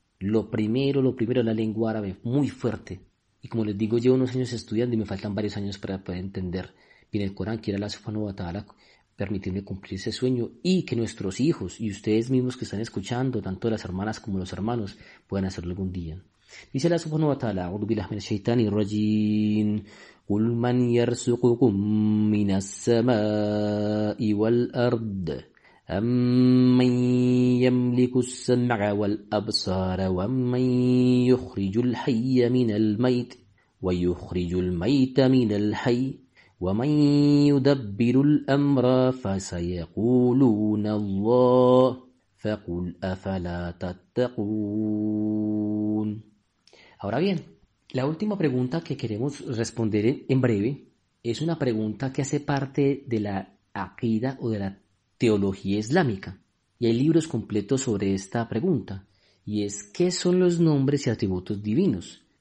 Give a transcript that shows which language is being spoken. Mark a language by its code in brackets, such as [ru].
[es] Lo primero es la lengua árabe, muy fuerte. Y como les digo, llevo unos años estudiando y me faltan varios años para poder entender bien el Corán, quiera la subhanahu wa ta'ala permitirme cumplir ese sueño y que nuestros hijos y ustedes mismos que están escuchando, tanto las hermanas como los hermanos, puedan hacerlo algún día. Dice la subhanahu wa ta'ala, [ar] أعوذ بالله من الشيطان الرجيم قل من يرزقكم من السماء والأرض أمن يملك السمع والأبصار ومن يخرج الحي من الميت ويخرج الميت من الحي وَمَنْ يُدَبِّرُ الْأَمْرَ فَسَيَقُولُونَ اللَّهُ فَقُلْ أَفَلَا تَتَّقُونَ. [es] Ahora bien, la última pregunta que queremos responder en breve es una pregunta que hace parte de la aqida o de la teología islámica. Y hay libros completos sobre esta pregunta. Y es, ¿qué son los nombres y atributos divinos?